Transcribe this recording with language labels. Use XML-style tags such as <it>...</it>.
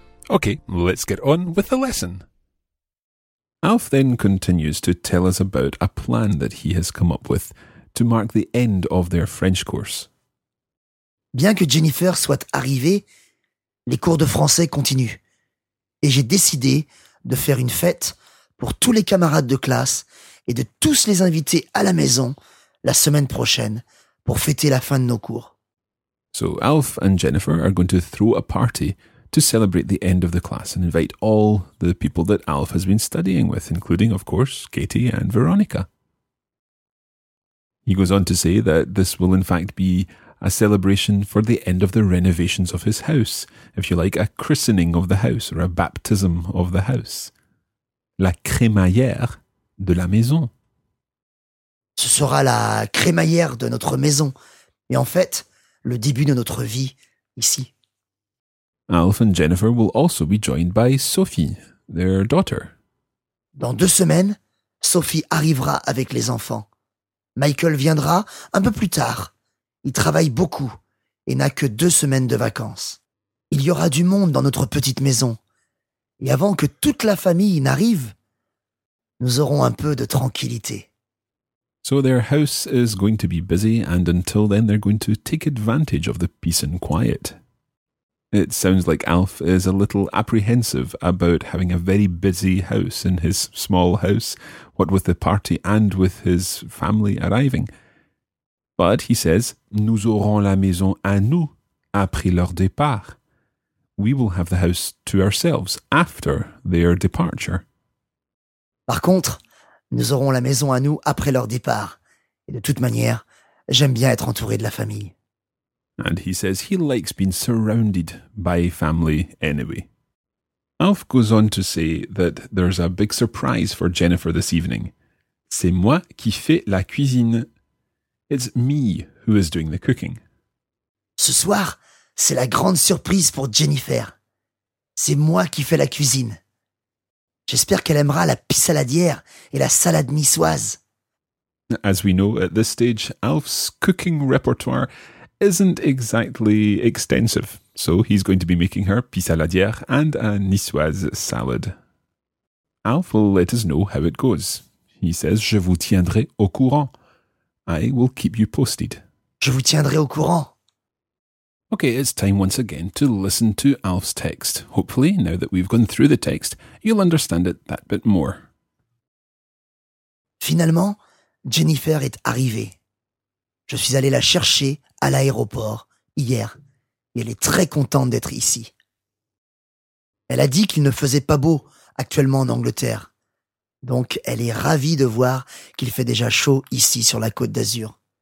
<en>Okay, let's get on with the lesson. Alf then continues to tell us about a plan that he has come up with to mark the end of their French course.</en> <fr>Bien que Jennifer soit arrivée, les cours de français continuent. Et j'ai décidé de faire une fête pour tous les camarades de classe et de tous les invités à la maison la semaine prochaine pour fêter la fin de nos cours.</fr> <en>So Alf and Jennifer are going to throw a party to celebrate the end of the class and invite all the people that Alf has been studying with, including, of course, Katie and Veronica. He goes on to say that this will in fact be a celebration for the end of the renovations of his house, if you like, a christening of the house or a baptism of the house.</en> <fr>La crémaillère de la maison. Ce sera la crémaillère de notre maison et en fait, le début de notre vie ici.</fr> <en>Alf and Jennifer will also be joined by Sophie, their daughter.</en> <fr>Dans 2 semaines, Sophie arrivera avec les enfants. Michael viendra un peu plus tard. Il travaille beaucoup et n'a que 2 semaines de vacances. Il y aura du monde dans notre petite maison. Et avant que toute la famille n'arrive, Nous aurons un peu de tranquillité.</fr> <en>So their house is going to be busy, and until then they're going to take advantage of the peace and quiet. It sounds like Alf is a little apprehensive about having a very busy house in his small house, what with the party and with his family arriving. But he says,</en> <fr>nous aurons la maison à nous après leur départ.</fr> <en>We will have the house to ourselves after their departure.</en> <fr>Par contre, nous aurons la maison à nous après leur départ. Et de toute manière, j'aime bien être entouré de la famille.</fr> <en>And he says he likes being surrounded by family anyway. Alf goes on to say that there's a big surprise for Jennifer this evening.</en> <fr>C'est moi qui fais la cuisine.</fr> <en>It's me who is doing the cooking.</en> <fr>Ce soir, c'est la grande surprise pour Jennifer. C'est moi qui fais la cuisine. J'espère qu'elle aimera la pissaladière et la salade niçoise.</fr> <en>As we know, at this stage, Alf's cooking repertoire isn't exactly extensive, so he's going to be making her pissaladière and a niçoise salad. Alf will let us know how it goes. He says,</en> <fr>je vous tiendrai au courant.</fr> <en>I will keep you posted.</en> <fr>Je vous tiendrai au courant.</fr> <en>Okay, it's time once again to listen to Alf's text. Hopefully, now that we've gone through the text, you'll understand it that bit more.</en> <fr>Finalement, Jennifer est arrivée. Je suis allé la chercher à l'aéroport hier. Et elle est très contente d'être ici. Elle a dit qu'il ne faisait pas beau actuellement en Angleterre. Donc elle est ravie de voir qu'il fait déjà chaud ici sur la Côte d'Azur.</fr>